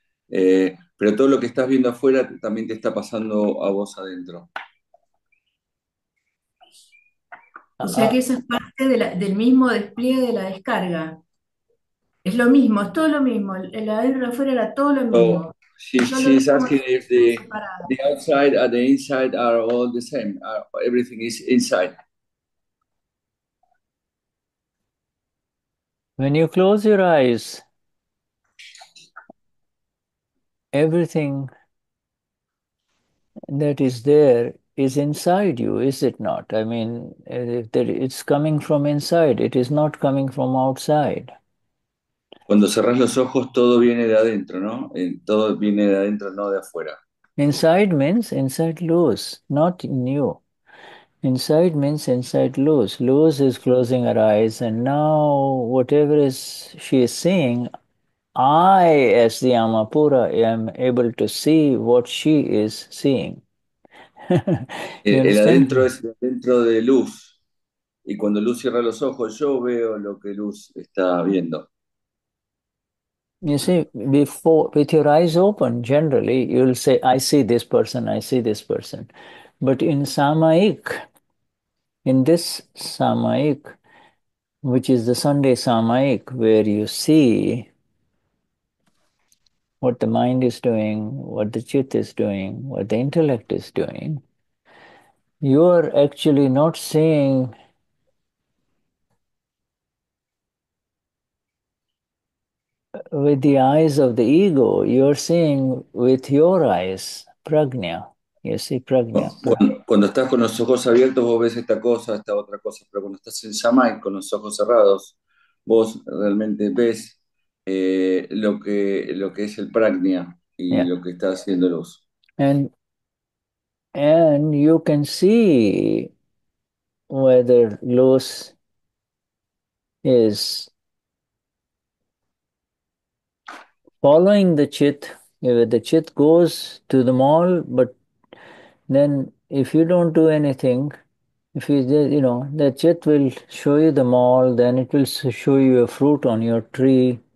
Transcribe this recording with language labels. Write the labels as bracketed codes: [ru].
[es] Pero todo lo que estás viendo afuera también te está pasando a vos adentro. O sea que eso es parte de del mismo despliegue de la descarga. Es lo mismo, es todo lo mismo. El adentro y afuera era todo lo mismo. [en] She's asking if the outside and the inside are all the same. Everything is inside. When you close your eyes, everything that is there is inside you, is it not? I mean, it's coming from inside. It is not coming from outside. [es] Cuando cerrás los ojos, todo viene de adentro, ¿no? Todo viene de adentro, no de afuera. [en] Inside means inside loose, not new. Inside means inside loose. Loose is closing her eyes, and now whatever is she is seeing, I, as the Amapura, am able to see what she is seeing. [es] El adentro es dentro de luz. Y cuando luz cierra los ojos, yo veo lo que luz está viendo. [en] You see, before, with your eyes open, generally, you'll say, I see this person, I see this person. But in Samaik, in this Samaik, which is the Sunday Samaik, where you see what the mind is doing, what the chit is doing, what the intellect is doing, you are actually not seeing with the eyes of the ego, you are seeing with your eyes, prajna. You see prajna. [es] Cuando estás con los ojos abiertos, vos ves esta cosa, esta otra cosa, pero cuando estás en samay, con los ojos cerrados, vos realmente ves lo que es el prajna y yeah. Lo que está haciendo luz. [en] And you can see whether luz is following the chit, whether the chit goes to the mall, but then if you don't do anything, if you, you know, the chit will show you the mall, then it will show you a fruit on your tree.